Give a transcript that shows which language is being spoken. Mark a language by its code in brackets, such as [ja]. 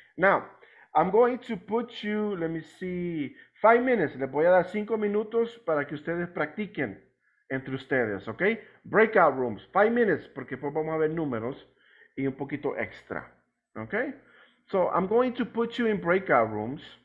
[en] Now, I'm going to put you, let me see, 5 minutes. [es] Le voy a dar 5 minutos para que ustedes practiquen entre ustedes, okay? [en] Breakout rooms, 5 minutes, [es] porque pues vamos a ver números. Y un poquito extra, okay? [en] So I'm going to put you in breakout rooms.